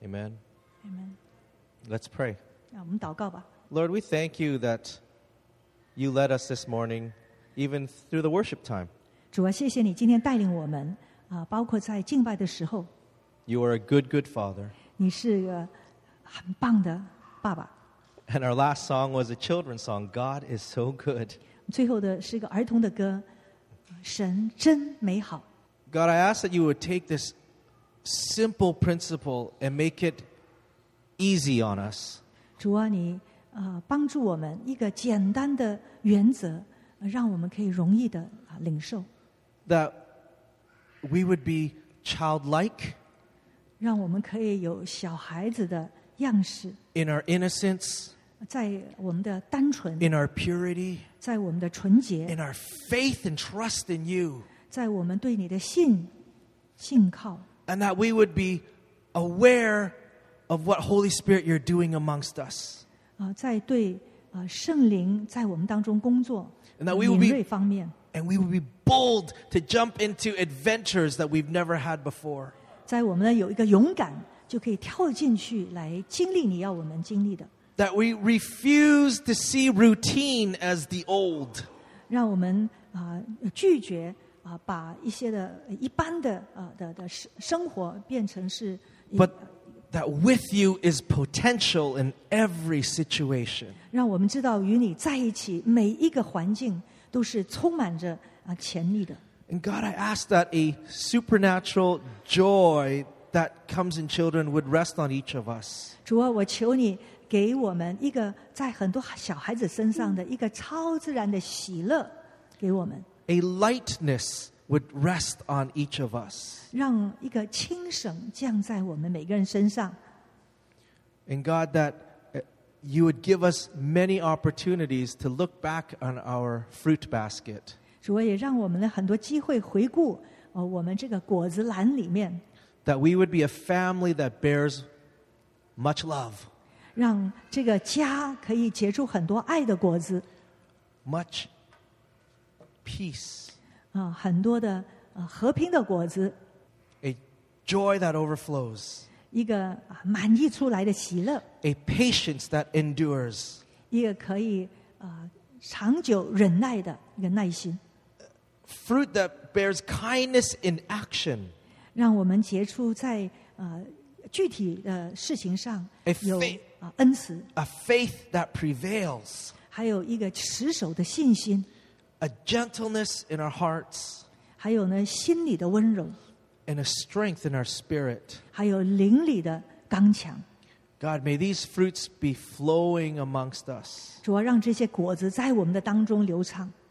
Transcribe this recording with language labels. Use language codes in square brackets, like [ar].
[en] Amen. Amen. Let's pray. [zh] 让我们祷告吧。 [en] Lord, we thank you that you led us this morning, even through the worship time. [zh] 主啊，谢谢你今天带领我们，包括在敬拜的时候。 [en] You are a good, good father. [zh] 你是个很棒的爸爸。 [en] And our last song was a children's song, God is so good. [zh] 最后的是一个儿童的歌。神真美好。 [en] God, I ask that you would take this simple principle and make it easy on us. [zh] 主啊，你帮助我们一个简单的原则，让我们可以容易的领受。 [en] That we would be childlike. [zh] 让我们可以有小孩子的样式。 [en] In our innocence. [zh] 在我们的单纯。 [en] In our purity. [zh] 在我们的纯洁 [en] in our faith and trust in you, [zh] 在我们对你的信靠 [en] and that we would be aware of what Holy Spirit you're doing amongst us, [zh] 在对圣灵在我们当中工作，敏锐方面。 [en] And we will be bold to jump into adventures that we've never had before. [zh] 在我们呢有一个勇敢，就可以跳进去来经历你要我们经历的。 [en] That we refuse to see routine as the old. [zh] 让我们拒绝把一些的一般的生活变成是。 [en] But that with you is potential in every situation. [zh] 让我们知道与你在一起每一个环境都是充满着潜力的。 [en] And God, I ask that a supernatural joy that comes in children would rest on each of us. [zh] 主啊，我求你给我们一个在很多小孩子身上的一个超自然的喜乐给我们。 [en] A lightness would rest on each of us. [zh] 让一个轻省降在我们每个人身上。 [en] And God, that you would give us many opportunities to look back on our fruit basket. [zh] 主啊，也让我们的很多机会回顾我们这个果子篮里面。 [en] That we would be a family that bears much love. [zh] 让这个家可以结出很多爱的果子。 [en] Much peace. [zh] 很多的和平的果子。 [en] A joy that overflows. [zh] 一个满溢出来的喜乐。 [en] A patience that endures. [zh] 一个可以长久忍耐的一个耐心。 [en] Fruit that bears kindness in action. [zh] 让我们结出在具体的事情上有恩慈 [en] a faith that prevails [zh] 还有一个持守的信心 [en] a gentleness in our hearts [zh] 还有呢心里的温柔 [en] and a strength in our spirit [zh] 还有灵里的刚强 [en] God, may these fruits be flowing amongst us [zh] 主啊，让这些果子在我们的当中流畅